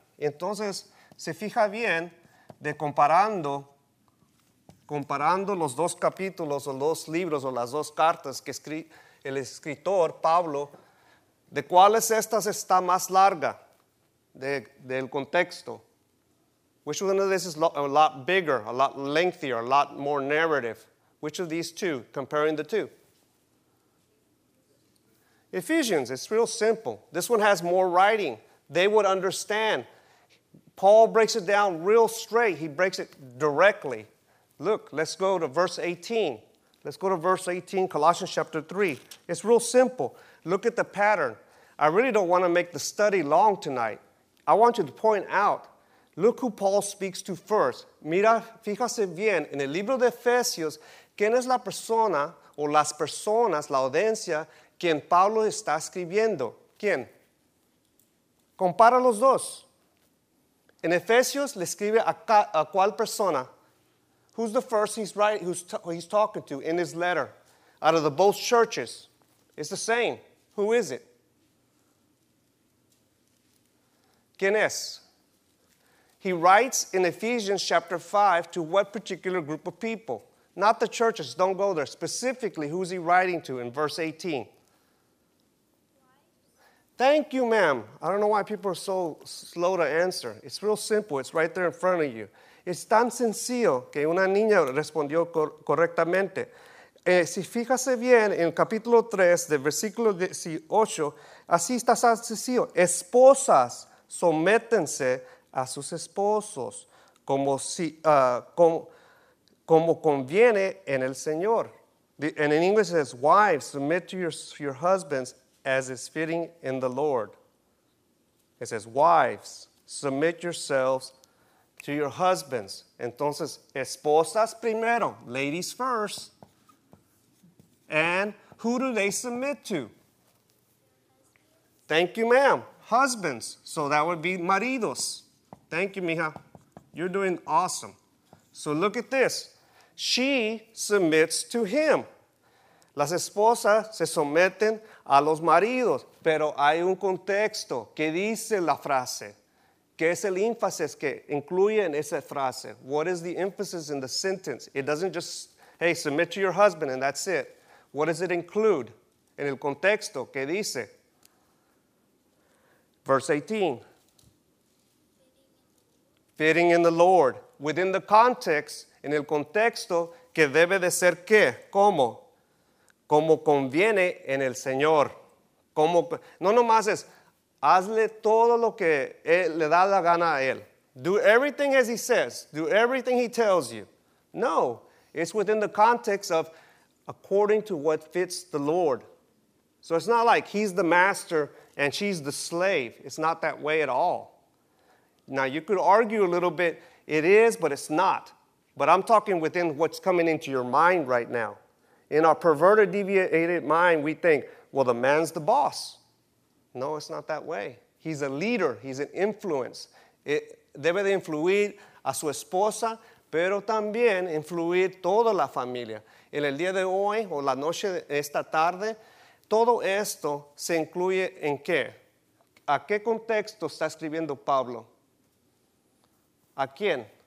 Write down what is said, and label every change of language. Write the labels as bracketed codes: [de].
[es] Entonces, se fija bien de comparando los dos capítulos o dos libros o las dos cartas que el escritor Pablo, ¿de cuáles estas está más larga del contexto? [en] Which one of these is a lot bigger, a lot lengthier, a lot more narrative? Which of these two, comparing the two? Ephesians, it's real simple. This one has more writing. They would understand. Paul breaks it down real straight. He breaks it directly. Look, let's go to verse 18. Let's go to verse 18, Colossians chapter 3. It's real simple. Look at the pattern. I really don't want to make the study long tonight. I want you to point out, look who Paul speaks to first. [es] Mira, fíjase bien, en el libro de Efesios, ¿quién es la persona o las personas, la audiencia, quien Pablo está escribiendo? ¿Quién? Compara los dos. En Efesios le escribe a cuál persona? [en] Who's the first he's writing, he's talking to in his letter out of the both churches? It's the same. Who is it? [es] ¿Quién es? [en] He writes in Ephesians chapter 5 to what particular group of people? Not the churches. Don't go there. Specifically, who's he writing to in verse 18? Thank you, ma'am. I don't know why people are so slow to answer. It's real simple. It's right there in front of you. [es] Es tan sencillo que una niña respondió correctamente. Si fíjase bien, en capítulo 3, de versículo 18, así está tan sencillo. Esposas, sométense a sus esposos, como, si, como conviene en el Señor. [en] And in English it says, wives, submit to your husbands as is fitting in the Lord. It says, wives, submit yourselves to your husbands. [es] Entonces, esposas primero, [en] ladies first. And who do they submit to? Thank you, ma'am. Husbands. So that would be maridos. Thank you, mija. You're doing awesome. So look at this. She submits to him. [es] Las esposas se someten a los maridos. Pero hay un contexto. ¿Qué dice la frase? ¿Qué es el énfasis que incluye en esa frase? [en] What is the emphasis in the sentence? It doesn't just, hey, submit to your husband and that's it. What does it include? [es] En el contexto, ¿qué dice? [en] Verse 18. Fitting in the Lord. Within the context, [es] en el contexto, ¿qué debe de ser qué? ¿Cómo? Como conviene en el Señor. Como, no nomás es, hazle todo lo que le da la gana a él. [en] Do everything as he says. Do everything he tells you. No, it's within the context of according to what fits the Lord. So it's not like he's the master and she's the slave. It's not that way at all. Now, you could argue a little bit, it is, but it's not. But I'm talking within what's coming into your mind right now. In our perverted, deviated mind, we think, well, the man's the boss. No, it's not that way. He's a leader. He's an influence. [es] Debe de influir a su esposa, pero también influir toda la familia. En el día de hoy, o la noche de esta tarde, todo esto se incluye en qué? ¿A qué contexto está escribiendo Pablo? ¿A quién?